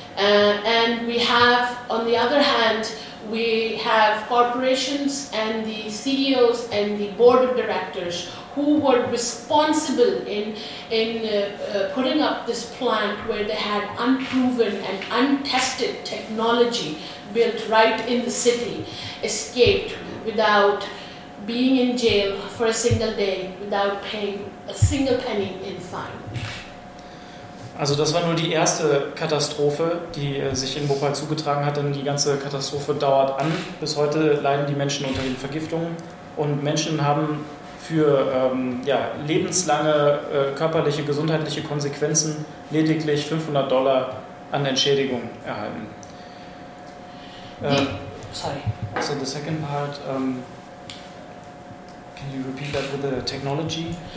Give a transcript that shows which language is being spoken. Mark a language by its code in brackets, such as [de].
[en] And we have, on the other hand, we have corporations and the CEOs and the board of directors who were responsible in putting up this plant where they had unproven and untested technology built right in the city, escaped without being in jail for a single day, without paying a single penny in fine. [de] Also das war nur die erste Katastrophe, die sich in Bhopal zugetragen hat, denn die ganze Katastrophe dauert an. Bis heute leiden die Menschen unter den Vergiftungen und Menschen haben für lebenslange körperliche, gesundheitliche Konsequenzen lediglich $500 an Entschädigung erhalten. [en] So the second part, can you repeat that with the technology?